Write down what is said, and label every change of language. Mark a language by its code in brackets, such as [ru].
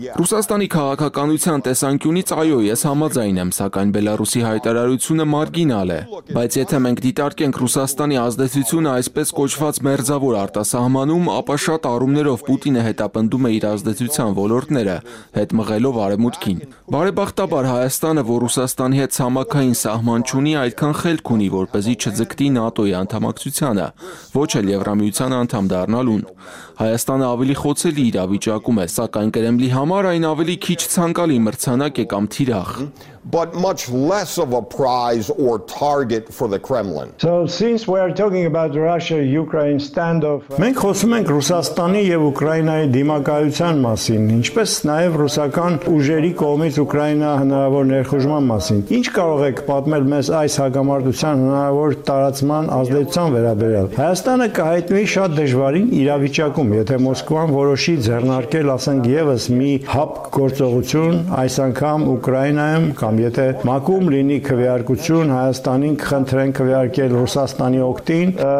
[hy] Ռուսաստանի քաղաքականության տեսանկյունից այո, ես համաձայն եմ, սակայն Բելարուսի հայտարարությունը մարգինալ է, բայց եթե մենք դիտարկենք Ռուսաստանի ազդեցությունը այսպես կոչված մերձավոր արտասահմանում, ապա շատ առումներով Պուտինը հետապնդում է իր ազդեցության ոլորտները, հետ մղելով արևմուտքին։ Բարեբախտաբար Հայաստանը, որ Ռուսաստանի հետ ցամաքային սահման չունի, այդքան խելք ունի, որպեսզի չձգտի ՆԱՏՕ-ի անդամակցությանը, ոչ էլ Եվրամիության անդամ դառնալուն։ Հայաստանը ավելի խոցելի իրավիճակում է, սակայն Կրեմլի համար այն ավելի քիչ ցանկալի մրցանակ է կամ թիրախ։ [en] But much less of a prize or target for the Kremlin. So since we are talking about Russia-Ukraine standoff, [hy] մենք խոսում ենք Ռուսաստանի եւ Ուկրաինայի դիմակայության մասին, ինչպես նաեւ ռուսական ուժերի կողմից Ուկրաինա հնարավոր ներխուժման մասին։ Ինչ կարող եք պատմել մեզ այս հակամարտության հնարավոր տարածման ազդեցության վերաբերյալ։ Հայաստանը կհայտնվի շատ դժվարին իրավիճակում, եթե Մոսկվան որոշի ձեռնարկել, ասենք եւս մի հապ գործողություն այս անգամ Ուկրաինայում, կամ եթե մակում լինի քվեարկություն Հայաստանին կխնդրեն քվեարկել Ռուսաստանի օկտին